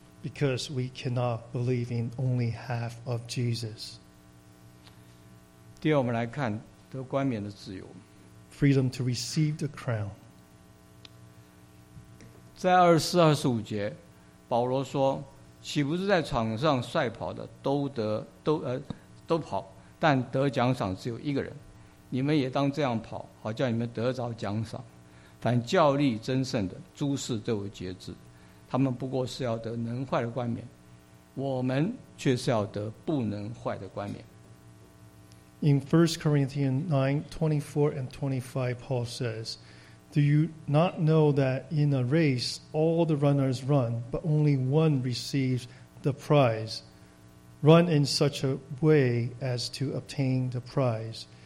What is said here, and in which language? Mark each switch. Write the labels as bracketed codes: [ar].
[en] Because we cannot believe in only half of Jesus. [zh] 第二，我们来看得冠冕的自由。 [en] Freedom to receive the crown. [zh] 在24-25节, 保罗说, 岂不是在场上赛跑的都跑, 但得奖赏只有一个人。你们也当这样跑, 好叫你们得着奖赏。凡教力争胜的, 诸事都有节制。他们不过是要得能坏的冠冕, 我们却是要得不能坏的冠冕。 [en] In 1 Corinthians 9:24 and 25, Paul says, Do you not know that in a race all the runners run, but only one receives the prize? Run in such a way as to obtain the prize.